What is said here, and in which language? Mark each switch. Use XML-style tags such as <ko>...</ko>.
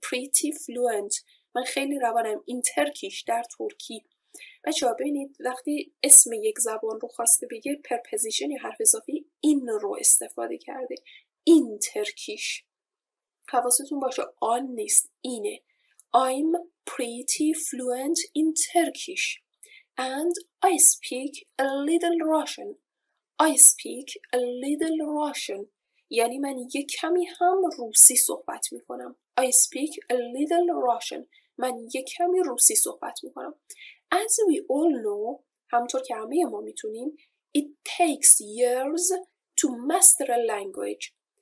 <en>Pretty fluent</en> <fa>من خیلی روانم</fa> <en>in Turkish</en> <fa>در ترکی. بچه ها ببینید وقتی اسم یک زبان رو خواسته بگه preposition یا حرف اضافی in رو استفاده کرده.</fa> <en>In Turkish.</en> <fa>حواستون باشه آن نیست، اینه.</fa> <en>I'm pretty fluent in Turkish and I speak a little Russian. I speak a little Russian</en> <fa>یعنی من یک کمی هم روسی صحبت می کنم.</fa> <en>I speak a little Russian</en> <fa>من یک کمی روسی صحبت می کنم.</fa> <en>As we all know</en> <fa>همطور که همه ما می تونیم</fa> <en>It takes years to master a language.</en>